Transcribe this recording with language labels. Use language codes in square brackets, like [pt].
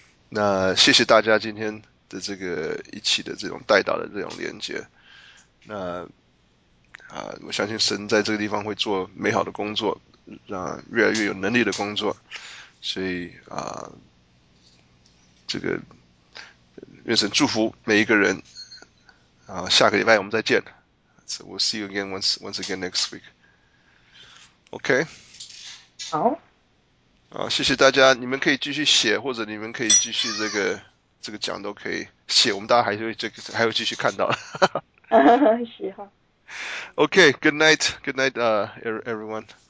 [zh] 那谢谢大家今天的这个一起的这种带导的这种连接。那我相信神在这个地方会做美好的工作，让越来越有能力的工作。所以这个愿神祝福每一个人。啊，下个礼拜我们再见。 [en] So we'll see you again once again next week. OK？ [zh] 好，啊，谢谢大家，你们可以继续写，或者你们可以继续这个讲都可以写，我们大家还会这个还会继续看到。是哈， [en] OK，good night，good night，everyone。